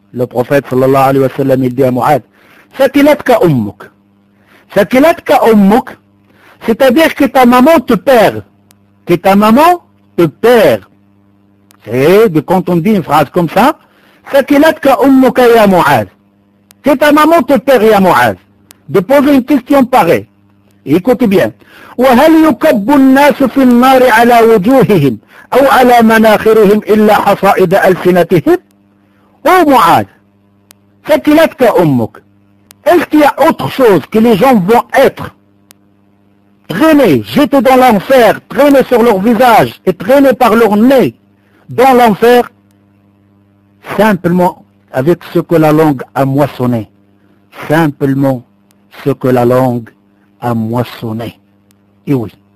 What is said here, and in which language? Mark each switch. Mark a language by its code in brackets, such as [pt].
[fr] Le prophète sallallahu alayhi wa sallam, il dit à Mu'ad, [ar] Sakilatka ummuk. Sakilatka ummuk. [fr] C'est-à-dire que ta maman te perd. Que ta maman te perd. C'est quand on dit une phrase comme ça. [ar] Sakilatka ummuka ya Mu'az. [fr] Que ta maman te perd [ar] ya Mu'az. [fr] De poser une question pareille. Écoute bien. [ar] وَهَلْ يُكَبُّ النَّاسُ فِي النَّارِ عَلَى وُجُوهِهِمْ أَوْ عَلَى مَنَاخِرِهِمْ إِلَّا حَصَائِدَ أَلْسِنَتِهِمْ [fr] Ô Mu'az, [ar] sakilatka ummuk. [fr] Est-ce qu'il y a autre chose que les gens vont être traînés, jetés dans l'enfer, traînés sur leur visage et traînés par leur nez dans l'enfer, simplement avec ce que la langue a moissonné. Simplement ce que la langue a moissonné. Et oui.